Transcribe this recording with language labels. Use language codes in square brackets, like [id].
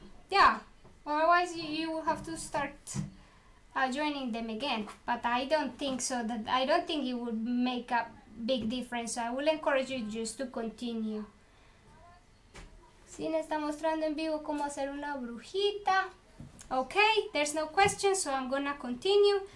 [en] Yeah, otherwise you will have to start joining them again, but I don't think so, that I don't think it would make a big difference, so I will encourage you just to continue. [es] Sin está mostrando en vivo cómo hacer una brujita. [en] Okay, there's no question, so I'm gonna continue.